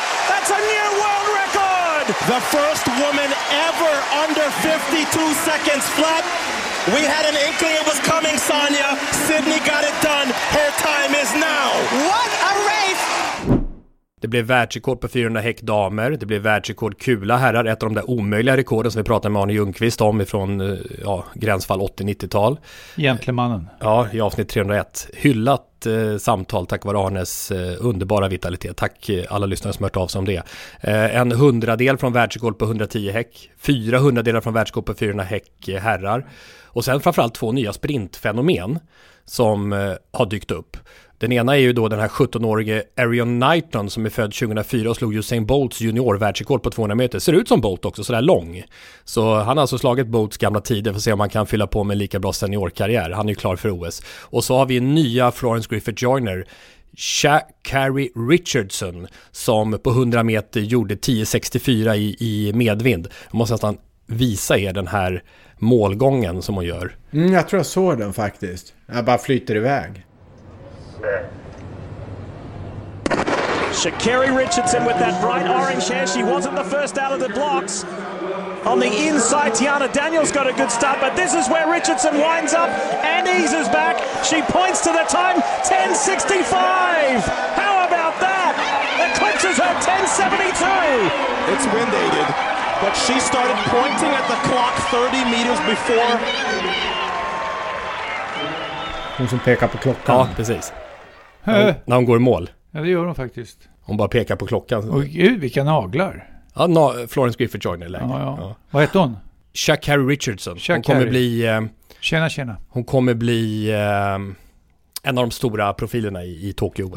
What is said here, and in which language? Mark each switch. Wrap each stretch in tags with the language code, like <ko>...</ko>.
<en>That's a new world record. The first woman ever under 52 seconds flat. We had an inkling it was coming, Sonia. Sydney got it done. Her time is now. What a race!</en> <sv>Det blev världsrekord på 400 häck damer. Det blev världsrekord kula herrar. Ett av de där omöjliga rekorden som vi pratade med Arne Ljungqvist om från ja, gränsfall 80-90-tal. Gentlemannen. Ja, i avsnitt 301. Hyllat samtal tack vare Arnes underbara vitalitet. Tack alla lyssnare som hört av sig om det. En hundradel från världsrekord på 110 häck. 400 delar från världsrekord på 400 häck herrar. Och sen framförallt två nya sprintfenomen som har dykt upp. Den ena är ju då den här 17-årige Arion Knighton som är född 2004 och slog Usain Bolts juniorvärldsrekord på 200 meter. Ser ut som Bolt också, så där lång. Så han har alltså slagit Bolts gamla tider för att se om han kan fylla på med en lika bra seniorkarriär. Han är ju klar för OS. Och så har vi nya Florence Griffith Joyner, Sha'Carri Richardson, som på 100 meter gjorde 10.64 i medvind. Jag måste nästan visa er den här målgången som hon gör. Mm, jag tror jag såg den faktiskt. Jag bara flyter iväg.</sv> <en>Sha'Carri Richardson with that bright orange hair. She wasn't the first out of the blocks. On the inside, Tiana Daniels got a good start, but this is where Richardson winds up and eases back. She points to the time, 10.65. How about that? Eclipses her 10.72. It's wind-aided, but she started pointing at the clock 30 meters before.</en> <sv>Hon som pekar på klockan. Ja, precis. När hon går i mål. Ja, det gör hon faktiskt. Hon bara pekar på klockan. Åh gud, vilka naglar. Ja, Florence Griffith Joyner längre. Ja, ja. Vad heter hon? Sha'Carri Richardson. Hon kommer bli... Tjena. Hon kommer bli en av de stora profilerna i Tokyo.</sv>